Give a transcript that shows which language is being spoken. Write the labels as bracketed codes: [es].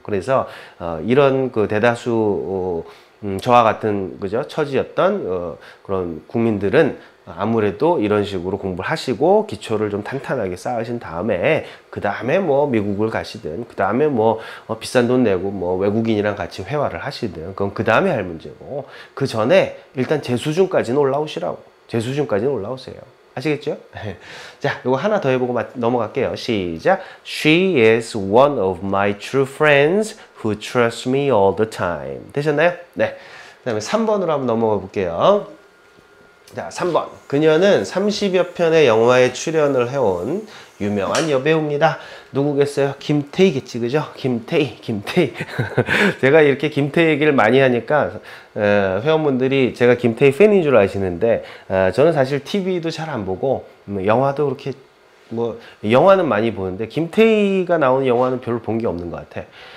[ko] 그래서 이런 그 대다수 저와 같은 그죠 처지였던 그런 국민들은 아무래도 이런 식으로 공부를 하시고 기초를 좀 탄탄하게 쌓으신 다음에 그 다음에 뭐 미국을 가시든 그 다음에 뭐 비싼 돈 내고 뭐 외국인이랑 같이 회화를 하시든 그건 그 다음에 할 문제고 그 전에 일단 제 수준까지는 올라오시라고 제 수준까지는 올라오세요. 아시겠죠? 자, 이거 하나 더 해보고 넘어갈게요. 시작. [en] She is one of my true friends who trusts me all the time. [ko] 되셨나요? 네. 그 다음에 3번으로 한번 넘어가 볼게요. 자, 3번. 그녀는 30여 편의 영화에 출연을 해온 유명한 여배우입니다. 누구겠어요? 김태희겠지, 그죠? 김태희. 제가 이렇게 김태희 얘기를 많이 하니까 회원분들이 제가 김태희 팬인 줄 아시는데 저는 사실 TV도 잘 안 보고 영화도 그렇게 뭐 영화는 많이 보는데 김태희가 나오는 영화는 별로 본 게 없는 것 같아.